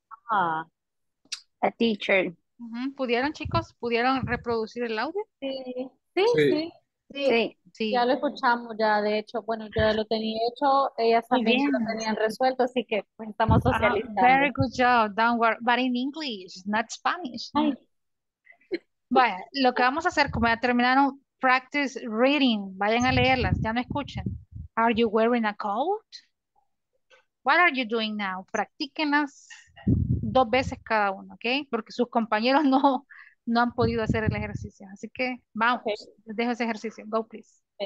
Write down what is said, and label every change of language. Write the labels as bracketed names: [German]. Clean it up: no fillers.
[English] Ah, a teacher. [Spanish] Uh-huh. ¿Pudieron, chicos? ¿Pudieron reproducir el audio? Sí, sí, sí. Sí. Ya lo escuchamos, ya de hecho, bueno, yo ya lo tenía hecho, ellas también lo tenían resuelto, así que pues, estamos socializando. [English] Very good job, downward, but in English, not Spanish. [Spanish] Vaya, lo que vamos a hacer, como ya terminaron, [English] practice reading, [Spanish] vayan a leerlas, ya no escuchen. [English] Are you wearing a coat? What are you doing now? [Spanish] Practíquenlas dos veces cada uno, ¿ok? Porque sus compañeros no... no han podido hacer el ejercicio. Así que vamos. Okay. Les dejo ese ejercicio. [English] Go, please.